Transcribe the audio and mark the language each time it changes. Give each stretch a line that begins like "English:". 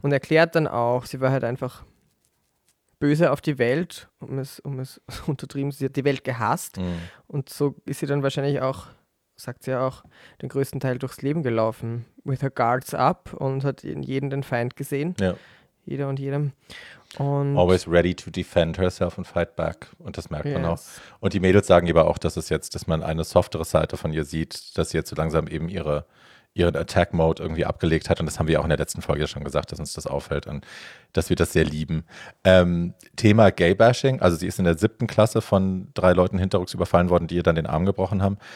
German: Und erklärt dann auch, sie war halt einfach böse auf die Welt, um es untertrieben, sie hat die Welt gehasst. Mhm. Und so ist sie dann wahrscheinlich auch, sagt sie ja auch, den größten Teil durchs Leben gelaufen,
English: with her guards up,
German: und hat in jedem den Feind gesehen. Ja. Jeder und jedem. Und
English: always ready to defend herself and fight back.
German: Und das merkt yes. man auch. Und die Mädels sagen aber auch, dass es jetzt, dass man eine softere Seite von ihr sieht, dass sie jetzt so langsam eben ihren Attack-Mode irgendwie abgelegt hat. Und das haben wir auch in der letzten Folge schon gesagt, dass uns das auffällt und dass wir das sehr lieben. Thema Gay-Bashing. Also sie ist in der 7. Klasse von 3 Leuten hinterrücks überfallen worden, die ihr dann den Arm gebrochen haben.